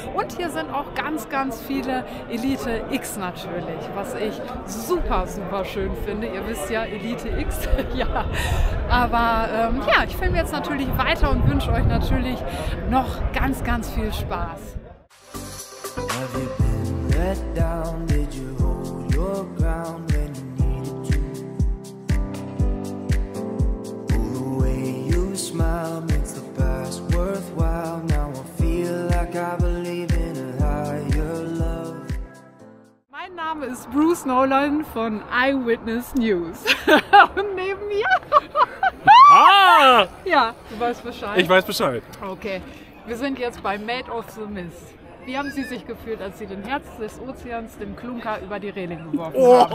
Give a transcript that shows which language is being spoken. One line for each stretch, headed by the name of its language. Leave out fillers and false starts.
German: Und hier sind auch ganz, ganz viele Elite X natürlich, was ich super, super schön finde. Ihr wisst ja, Elite X, ja. Aber ja, ich filme jetzt natürlich weiter und wünsche euch natürlich noch ganz, ganz viel Spaß.
English: Let down, did you hold your ground when you needed to? Oh, the way you smile makes the past worthwhile. Now I feel like I believe in a higher love.
German: Mein Name ist Bruce Nolan von Eyewitness News. Und neben mir. Ja, du weißt Bescheid. Ich weiß Bescheid. Okay, wir sind jetzt bei Made of the Mist. Wie haben Sie sich gefühlt, als Sie den Herz des Ozeans, dem Klunker, über die Reling geworfen haben?